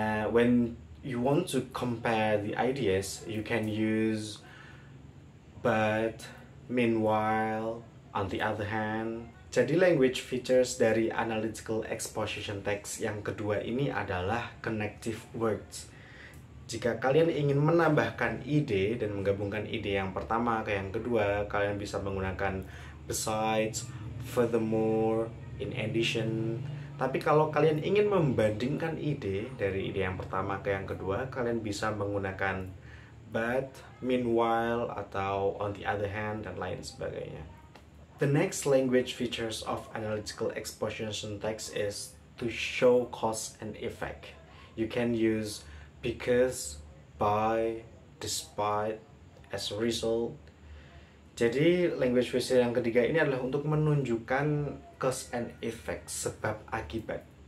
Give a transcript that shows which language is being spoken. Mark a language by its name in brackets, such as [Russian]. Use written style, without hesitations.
[English] When you want to compare the ideas, you can use but, meanwhile, on the other hand. [Indonesian] Jadi language features dari analytical exposition text yang kedua ini adalah connective words. Jika kalian ingin menambahkan ide dan menggabungkan ide yang pertama ke yang kedua, kalian bisa menggunakan besides, furthermore, in addition. Tapi kalau kalian ingin membandingkan ide dari ide yang pertama ke yang kedua, kalian bisa menggunakan but, meanwhile, atau on the other hand, dan lain sebagainya. [English] The next language features of analytical exposition text is to show cause and effect. You can use because, by, despite, as a result. [Indonesian] Jadi, language feature yang ketiga ini adalah untuk menunjukkan cause and effect, sebab akibat.